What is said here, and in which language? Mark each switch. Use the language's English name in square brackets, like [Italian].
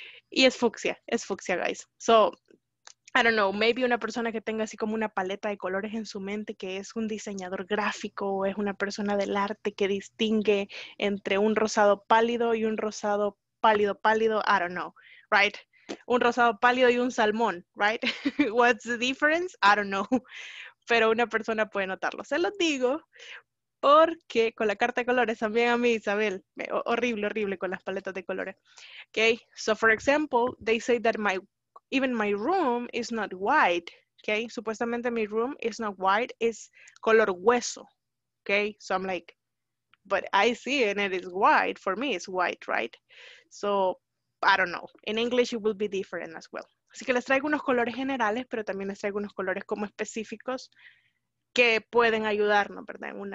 [Spanish] Y es fucsia, [English] guys. So, I don't know, maybe [Spanish] una persona que tenga así como una paleta de colores en su mente, que es un diseñador gráfico, o es una persona del arte que distingue entre un rosado pálido y un rosado pálido, [English] I don't know, right? [Spanish] Un rosado pálido y un salmón, [English] right? What's the difference? I don't know. [Spanish] Pero una persona puede notarlo. Se los digo porque con la carta de colores también a mí, Isabel, horrible con las paletas de colores. [English] Okay, so for example, they say that my room is not white, okay? [Spanish] Supuestamente [English] my room is not white, it's [Spanish] color hueso, [English] okay? So I'm like, but I see it and it is white. For me, it's white, right? So, I don't know. In English, it will be different as well. [Spanish] Así que les traigo unos colores generales, pero también les traigo unos colores como específicos que pueden ayudarnos, ¿verdad?